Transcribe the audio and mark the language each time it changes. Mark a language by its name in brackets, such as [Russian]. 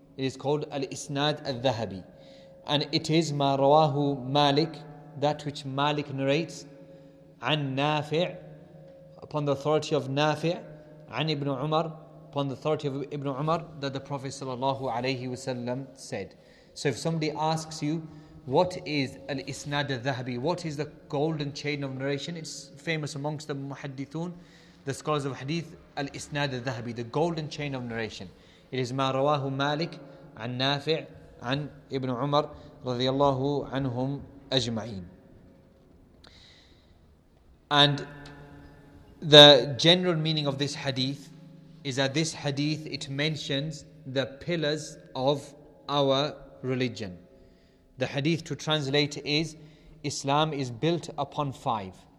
[English] It is called Al-Isnad Al-Dhahabi, and it is ma rawahu Malik, that which Malik narrates, an Nafi', upon the authority of Nafi', an Ibn Umar, upon the authority of Ibn Umar, that the Prophet sallallahu alayhi wasallam said. So if somebody asks you, what is Al-Isnad Al-Dhahabi? What is the golden chain of narration? It's famous amongst the Muhaddithun, the scholars of Hadith, Al-Isnad Al-Dhahabi, the golden chain of narration. It is [Arabic] ما رواه مالك عن نافع عن ابن عمر رضي الله عنهم أجمعين. [English] And the general meaning of this Hadith is that this Hadith, it mentions the pillars of our religion. The hadith to translate is, Islam is built upon five.